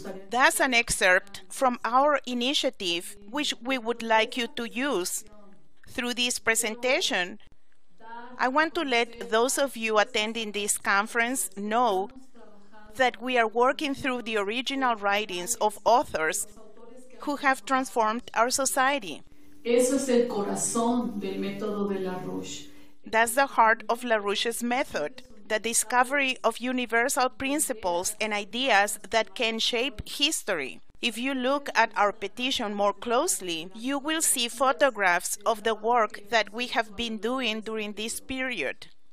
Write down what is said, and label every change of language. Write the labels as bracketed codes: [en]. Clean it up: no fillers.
[en] That's an excerpt from our initiative, which we would like you to use. Through this presentation, I want to let those of you attending this conference know that we are working through the original writings of authors who have transformed our society. [es] Eso es el corazón del método de LaRouche. [en] That's the heart of LaRouche's method, the discovery of universal principles and ideas that can shape history. If you look at our petition more closely, you will see photographs of the work that we have been doing during this period.